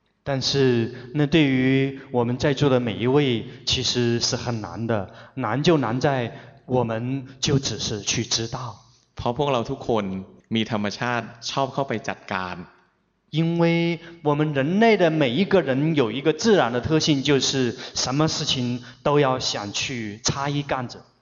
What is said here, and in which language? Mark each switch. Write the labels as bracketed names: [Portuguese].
[Chinese] 但是那对于我们在座的每一位其实是很难的难就难在我们就只是去知道 [Thai] เพราะพวกเราทุกคนมีธรรมชาติชอบเข้าไปจัดการ [Chinese] 因为我们人类的每一个人有一个自然的特性就是什么事情都要想去插一杆子